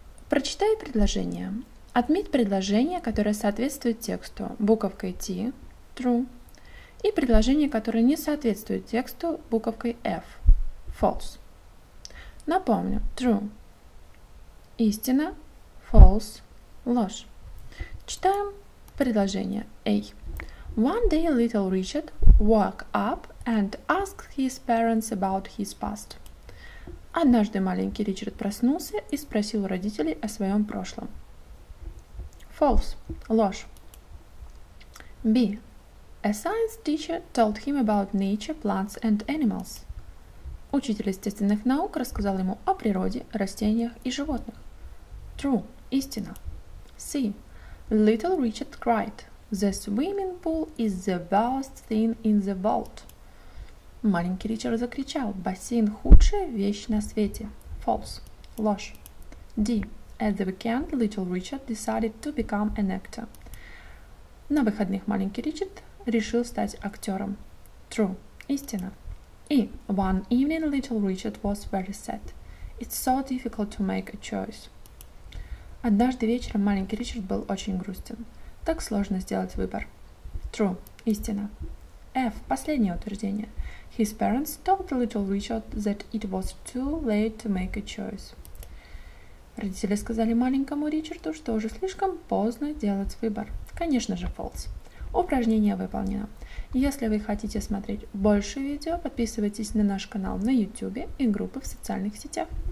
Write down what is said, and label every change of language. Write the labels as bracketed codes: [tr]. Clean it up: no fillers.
[ru] Прочитай предложение. Отметь предложение, которое соответствует тексту, буковкой T, true, и предложение, которое не соответствует тексту, буковкой F, false. Напомню, true – истина, false – ложь. Читаем предложение A. [en] One day little Richard woke up and asked his parents about his past. [ru] Однажды маленький Ричард проснулся и спросил у родителей о своем прошлом. False – ложь. B. [en] A science teacher told him about nature, plants and animals. [ru] Учитель естественных наук рассказал ему о природе, растениях и животных. True – истина. [en] C. Little Richard cried. The swimming pool is the worst thing in the world. [ru] Маленький Ричард закричал. Бассейн – худшая вещь на свете. False – ложь. D. [en] At the weekend, little Richard decided to become an actor. [ru] На выходных маленький Ричард решил стать актером. True. Истина. И [en] one evening little Richard was very sad. It's so difficult to make a choice. [ru] Однажды вечером маленький Ричард был очень грустен. Так сложно сделать выбор. True. Истина. F. Последнее утверждение. [en] His parents told little Richard that it was too late to make a choice. [ru] Родители сказали маленькому Ричарду, что уже слишком поздно делать выбор. Конечно же, false. Упражнение выполнено. Если вы хотите смотреть больше видео, подписывайтесь на наш канал на YouTube и группы в социальных сетях.